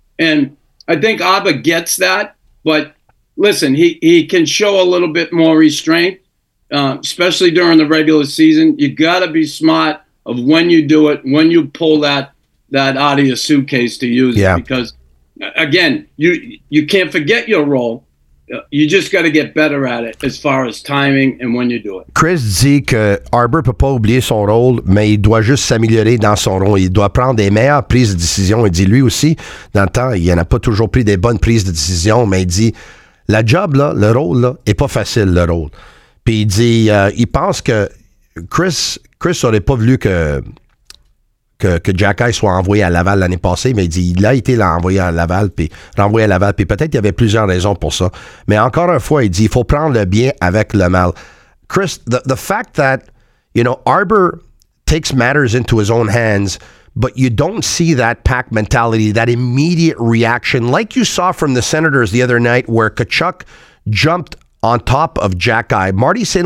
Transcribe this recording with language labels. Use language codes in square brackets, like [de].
[en] And I think ABBA gets that. But listen, he can show a little bit more restraint, especially during the regular season. You got to be smart of when you do it, when you pull that out of your suitcase to use. Yeah. Because, again, you can't forget your role. You just got to get better at it as far as timing and when you do it. [fr] Chris dit que Arbor peut pas oublier son rôle, mais il doit juste s'améliorer dans son rôle. Il doit prendre des meilleures prises de décision. Il dit lui aussi, dans le temps, il n'a pas toujours pris des bonnes prises de décision, mais il dit, la job, là, le rôle, là, est pas facile, le rôle. Puis il dit, il pense que Chris aurait pas voulu que Jack Eye soit envoyé à Laval l'année passée, mais il dit il a été envoyé à Laval, puis renvoyé à Laval, puis peut-être il y avait plusieurs raisons pour ça. Mais encore une fois, il dit il faut prendre le bien avec le mal. [en] Chris, the fact that, you know, Arbor takes matters into his own hands, But you don't see that pack mentality, that immediate reaction, like you saw from the Senators the other night where Tkachuk jumped on top of Jack Eye. Marty St.